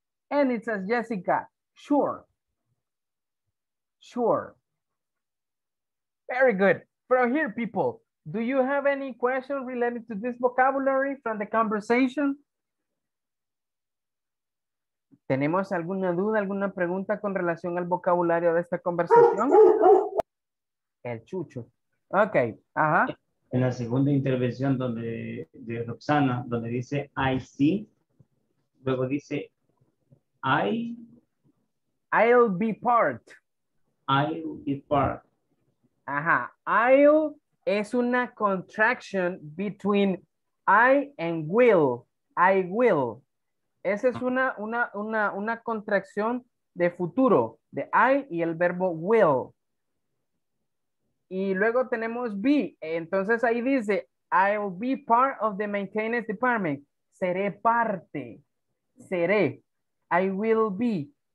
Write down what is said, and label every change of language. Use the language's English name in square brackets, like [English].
[English] And it says, Jessica, sure. Sure. Very good. From here, people, do you have any questions related to this vocabulary from the conversation? [Spanish] ¿Tenemos alguna duda, alguna pregunta con relación al vocabulario de esta conversación? El chucho. Ok, ajá. En la segunda intervención donde, de Roxana, donde dice [English] I see, [Spanish] luego dice [English] I'll be part. I'll be part. Ajá. I'll [Spanish] es una [English] contraction between I and will. I will. [Spanish] Esa es una contracción de futuro, de I y el verbo will. Y luego tenemos [English] be. [Spanish] Entonces ahí dice, [English] I'll be part of the maintenance department. [Spanish] Seré parte. Seré. [English] I will be.